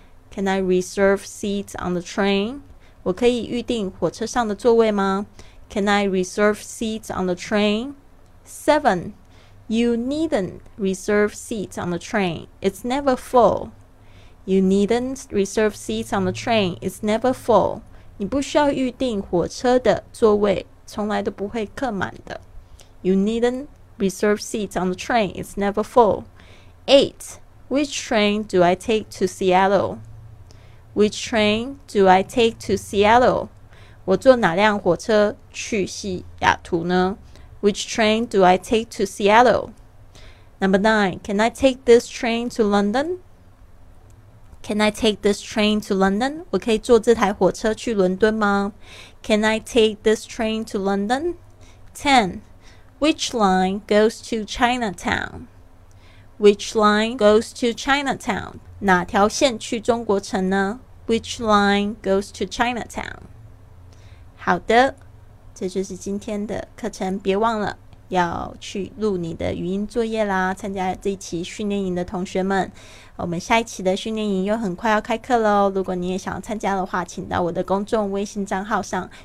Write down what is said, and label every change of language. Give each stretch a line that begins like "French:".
English: Can I reserve seat on the train?
Chinese: 我可以预定火车上的座位吗？
English: Can I reserve seat on the train? Seven, you needn't reserve seat on the train. It's never full. You needn't reserve seat on the train. It's never full.
Chinese: 你不需要预定火车的座位，从来都不会客满的。
English: You needn't Reserve seats on the train, it's never full. 8. Which train do I take to Seattle? Which train do I take to Seattle?
Chinese: 我坐哪辆火车去西雅图呢？
English: Which train do I take to Seattle? Number 9. Can I take this train to London? Can I take this train to London?
Chinese: 我可以坐这台火车去伦敦吗？
English: Can I take this train to London? 10. Which line goes to Chinatown? Which line goes to Chinatown?
Chinese: 哪条线去中国城呢？
English: Which line goes to Chinatown?
Chinese: 好的，这就是今天的课程，别忘了要去录你的语音作业啦！参加这一期训练营的同学们，我们下一期的训练营又很快要开课喽！如果你也想要参加的话，请到我的公众微信账号上。